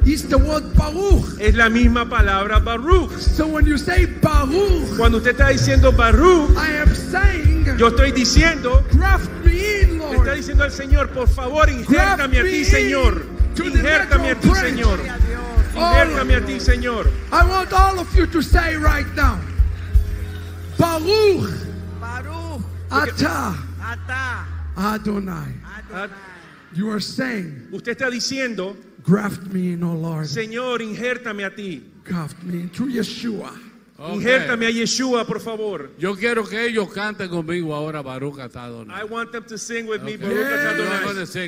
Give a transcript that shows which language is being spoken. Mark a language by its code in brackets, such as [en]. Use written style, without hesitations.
[en] is the word baruch. [es] Es la misma palabra baruch. [en] So when you say baruch, [es] cuando usted está diciendo baruch, [en] I am saying, [es] yo estoy diciendo, [en] graft me in, Lord. [es] Le está diciendo al Señor, por favor, injértame a ti, Señor. Injértame a ti, Señor. [en] I want all of you to say right now, Baruch, [he] Baruch, Ata, Adonai. [en] You are saying, [es] usted está diciendo, [en] graft me in, O Lord. [es] Señor, injértame a ti. [en] Graft me in through Yeshua. [es] Okay. Injértame a Yeshua, por favor. Yo quiero que ellos canten conmigo ahora, [he] Baruch Ata Adonai. [en] I want them to sing with me, [he] Baruch Ata Adonai.